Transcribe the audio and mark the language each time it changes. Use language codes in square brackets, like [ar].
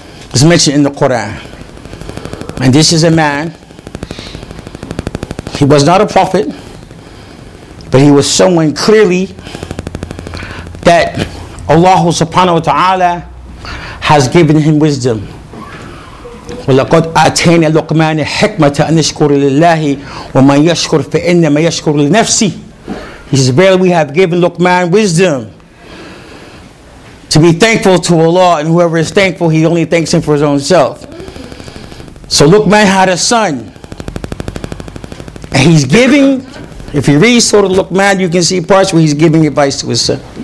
[en] It's mentioned in the Quran. And this is a man. He was not a prophet, but he was someone clearly that Allah subhanahu wa ta'ala has given him wisdom. [ar] وَلَقَدْ أَتَيْنَا لُقْمَانَ حِكْمَةَ أَنْ يَشْكُرَ لِلَّهِ وَمَنْ يَشْكُرْ فَإِنَّمَا يَشْكُرُ لِنَفْسِهِ. [en] He says, verily we have given Luqman wisdom. to be thankful to Allah, and whoever is thankful, he only thanks him for his own self. So Luqman had a son, and he's giving, if you read Surah Luqman, you can see parts where he's giving advice to his son.